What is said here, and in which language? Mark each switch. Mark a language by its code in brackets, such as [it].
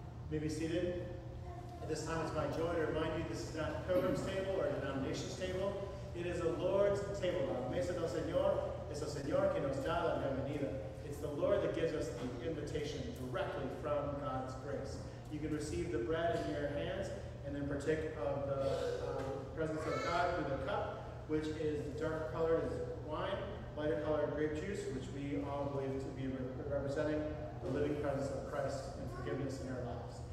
[en] You may be seated. At this time, it's my joy to remind you this is not a pilgrim's table or a denomination's table. It is a Lord's table. [es] La mesa del Señor es el Señor que nos da la bienvenida. [en] It's the Lord that gives us the invitation directly from God's grace. You can receive the bread in your hands and then partake of the presence of God through the cup, which is darker colored as wine, lighter colored grape juice, which we all believe to be representing the living presence of Christ and forgiveness in our lives.